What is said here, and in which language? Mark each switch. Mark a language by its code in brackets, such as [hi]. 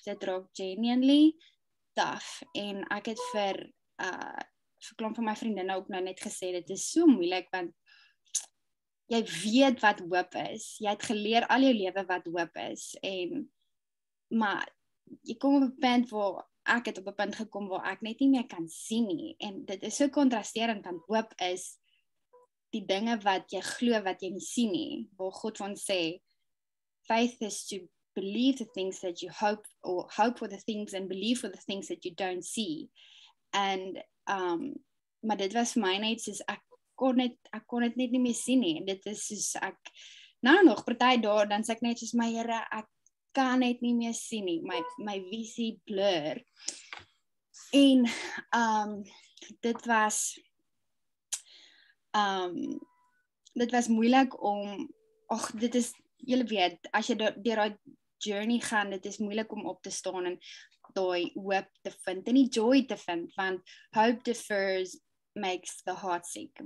[af] Dit raak genuinely taf. En ek het vir klomp van my vriendinne ook nou net gesê, dit is so moeilik, want jy weet wat hoop is. Jy het geleer al jou lewe wat hoop is. En, maar jy kom op 'n punt waar ek het op 'n punt gekom waar ek net nie meer kan sien nie. En dit is so kontrasterend, want hoop is die dinge wat jy glo wat jy nie sien nie. Waar God van sê, [en] faith is to believe the things that you hope, or hope for the things and believe for the things that you don't see. [af] And, maar dit was vir my net soos ek kon dit net nie meer sien nie. En dit is soos ek, nou nog, partij daar, dan sê ek net soos my Here, ek kan net nie meer sien nie. My visie blur. En, dit was moeilik om, och, dit is, julle weet, as jy deur daai journey gaan, dit is moeilik om op te staan en daai hoop te vind en die joy te vind, want [en] hope defers makes the heart sick.